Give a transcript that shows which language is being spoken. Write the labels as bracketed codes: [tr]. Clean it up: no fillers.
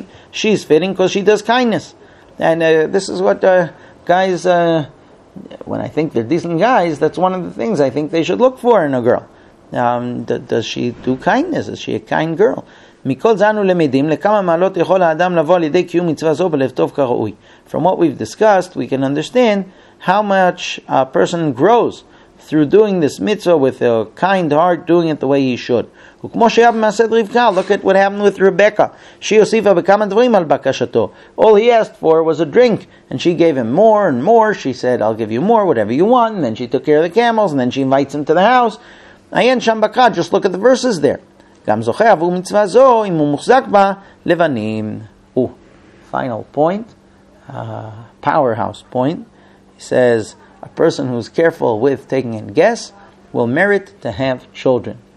[en] She's fitting because she does kindness. And this is what guys, when I think they're decent guys, that's one of the things I think they should look for in a girl. Does she do kindness? Is she a kind girl? [he] מכל זה אנו למדים לכמה מעלות יכול האדם לבוא על ידי קיום מצווה זו בלב טוב כראוי. [en] From what we've discussed, we can understand how much a person grows through doing this mitzvah with a kind heart, doing it the way he should. [he] וכמו שהיה במעשה רבקה, [en] look at what happened with Rebecca. She [he] הוסיפה בכמה דברים על בקשתו. [en] All he asked for was a drink, and she gave him more and more. She said, I'll give you more, whatever you want. And then she took care of the camels, and then she invites him to the house. [he] עיין שם בקרה, [en] just look at the verses there. [he] גם זוכה עבור מצווה זו, אם הוא מוחזק בה, לבנים. [en] Ooh, final point, powerhouse point. He says, a person who's careful with taking in guests will merit to have children.